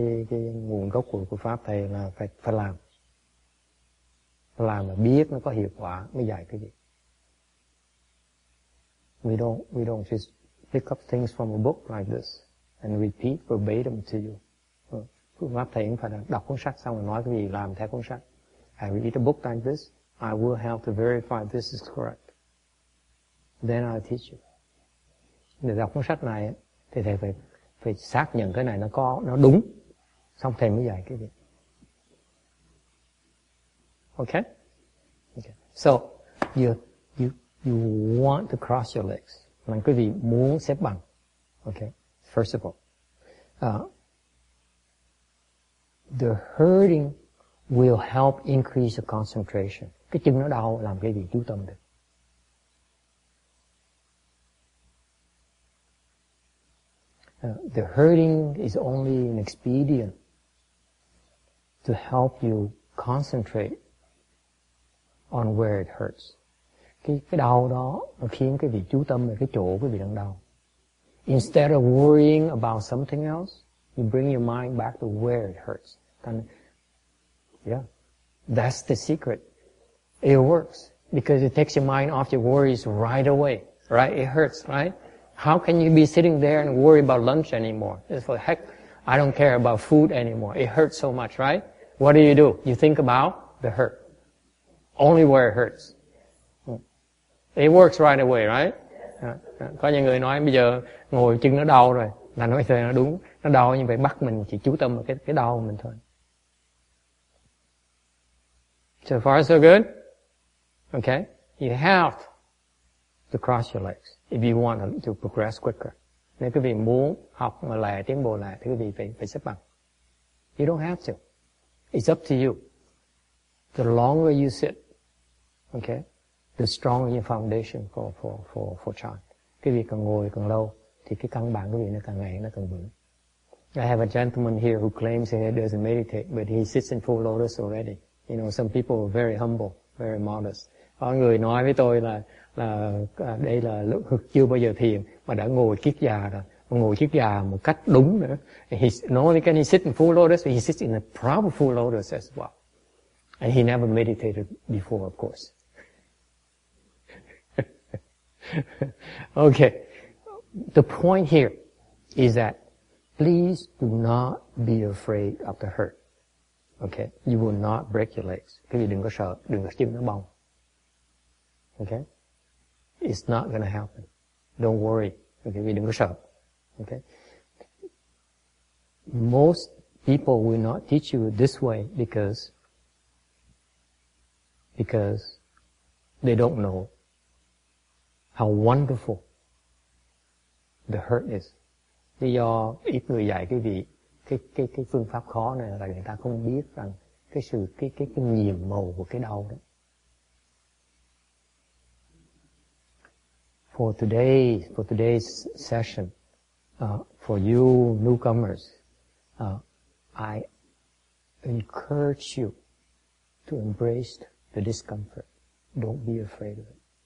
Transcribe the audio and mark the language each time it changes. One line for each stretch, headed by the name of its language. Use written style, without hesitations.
Vietnamese: Cái nguồn gốc của pháp thầy là phải làm. Làm là biết nó có hiệu quả mới dạy cái gì.
English: We don't just pick up things from a book like this and repeat verbatim to you.
Vietnamese: Phương pháp thầy cũng phải đọc cuốn sách xong rồi nói cái gì làm theo cuốn sách.
English: I read a book like this, I will have to verify this is correct. Then I'll teach you.
Vietnamese: Để đọc cuốn sách này thì thầy phải xác nhận cái này nó đúng. Xong thầy mới dạy cái gì.
English: Okay. So you want to cross your legs.
Vietnamese: Là quý vị muốn xếp bằng. Okay.
English: First of all, the hurting will help increase the concentration.
Vietnamese: Cái chân nó đau làm cái gì chú tâm được.
English: The hurting is only an expedient to help you concentrate on where it hurts.
Vietnamese: Cái đau đó nó khiến cái vị chú tâm về cái chỗ cái vị đang đau.
English: Instead of worrying about something else, you bring your mind back to where it hurts. And yeah, that's the secret. It works because it takes your mind off your worries right away. Right? It hurts, right? How can you be sitting there and worry about lunch anymore? It's for heck, I don't care about food anymore. It hurts so much, right? What do? You think about the hurt. Only where it hurts. It works right away, right?
Vietnamese: Có những người nói bây giờ ngồi chân nó đau rồi. Là nói thế nó đúng. Nó đau như vậy bắt mình chỉ chú tâm vào cái đau của mình thôi.
English: So far so good? Okay? You have to cross your legs if you want to progress quicker.
Vietnamese: Nếu quý vị muốn học mà lại tiến bộ lại thì quý vị phải xếp bằng.
English: You don't have to. It's up to you. The longer you sit, okay, the stronger your foundation for chant.
Vietnamese: Quý vị càng ngồi càng lâu thì cái căn bản quý vị nó càng ngày nó càng vững.
English: I have a gentleman here who claims he doesn't meditate, but he sits in full lotus already. You know, some people are very humble, very modest.
Vietnamese: Có người nói với tôi là đây là lúc chưa bao giờ thiền mà đã ngồi kiết già rồi, ngồi kiết già một cách đúng nữa.
English: He's not only can he sit in full lotus, but he sits in a proper full lotus as well. And he never meditated before, of course. Okay, the point here is that please do not be afraid of the hurt. Okay, you will not break your legs.
Vietnamese: Quý vị đừng có sợ, đừng có chân nó bong.
English: Okay, it's not going to happen. Don't worry. Okay,
Vietnamese: quý vị đừng có sợ.
English: Okay, most people will not teach you this way because they don't know how wonderful the hurt is.
Vietnamese: Lý do ít người dạy quý vị cái phương pháp khó này là người ta không biết rằng cái sự cái nhiệm màu của cái đau đó.
English: For today's session, for you newcomers, I encourage you to embrace the discomfort. Don't be afraid of it.